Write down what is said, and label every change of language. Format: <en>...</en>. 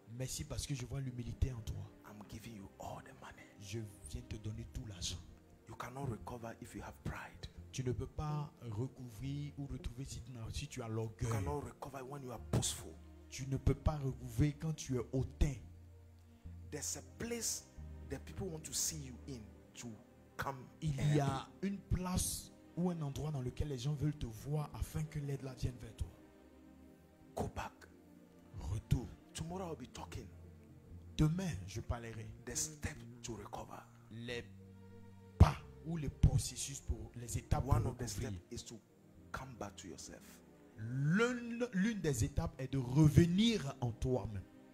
<fr>Merci parce que je vois l'humilité en toi.</fr> <en>I'm giving you all the money.</en> <fr>Je viens te donner tout l'argent.</fr> <en>You cannot recover if you have pride.</en> <fr>Tu ne peux pas recouvrir ou retrouver si tu as l'orgueil.</fr> <en>You cannot recover when you are boastful.</en> <fr>Tu ne peux pas recouvrir quand tu es hautain.</fr> <en>There's a place that people want to see you in to come.</en> <fr>Il y a une place ou un endroit dans lequel les gens veulent te voir afin que l'aide là vienne vers toi.</fr> <en>Go back.</en> <fr>Retour.</fr> <en>Tomorrow I'll be talking.</en> <fr>Demain, je parlerai.</fr> <en>The step to recover.</en> <fr>Les pas ou les processus pour les étapes.</fr> <en>One</en> <fr>pour</fr> <en>of</en> <fr>recouvrir.</fr> <en>The steps is to come back to yourself.</en> <fr>L'une des étapes est de revenir en toi-même.</fr>